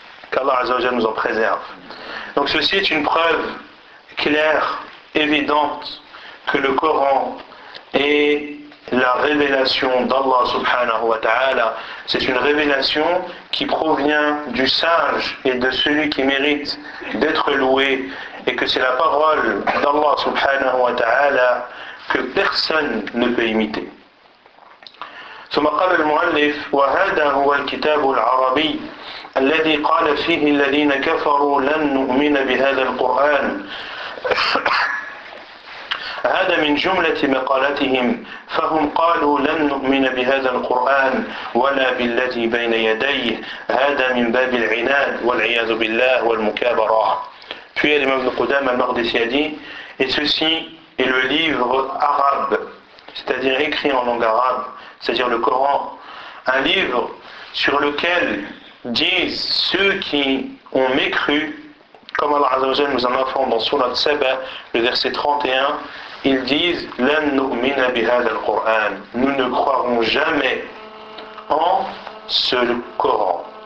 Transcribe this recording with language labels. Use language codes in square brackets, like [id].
[fr] Qu'Allah Azza wa Jalla nous en préserve. Donc ceci est une preuve claire, évidente, que le Coran est la révélation d'Allah subhanahu wa ta'ala. C'est une révélation qui provient du sage et de celui qui mérite d'être loué, et que c'est la parole d'Allah subhanahu wa ta'ala que personne ne peut imiter. [ar] ثم قال المؤلف وهذا هو الكتاب العربي الذي قال فيه الذين كفروا لن نؤمن بهذا القرآن هذا من جملة مقالتهم فهم قالوا لن نؤمن بهذا القرآن ولا بالذي بين يديه هذا من باب العناد والعياذ بالله والمكابرة. [fr] Puis l'imam Ibn Qudam al-Maqdisi a dit, et ceci est le livre arabe, c'est-à-dire écrit en langue arabe, c'est-à-dire le Coran, un livre sur lequel disent ceux qui ont mécru, comme Allah Azza wa Jalla nous en informe dans Sourate Saba, le verset 31, ils disent [ar] لَن نُؤْمِنَ بِهَذَا الْقُرْآنِ, [fr] nous ne croirons jamais en ce Coran.